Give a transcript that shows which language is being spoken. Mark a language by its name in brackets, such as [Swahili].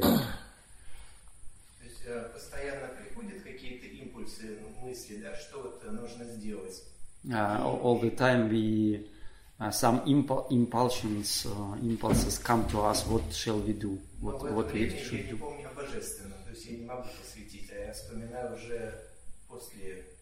[Russian] То есть постоянно приходят какие-то импульсы, мысли, да, что вот нужно сделать? [English] All the time we some impulses come to us, what shall we do, what we should do. [Russian] Помню о божественном, то есть я не могу посвятить, а я вспоминаю уже после,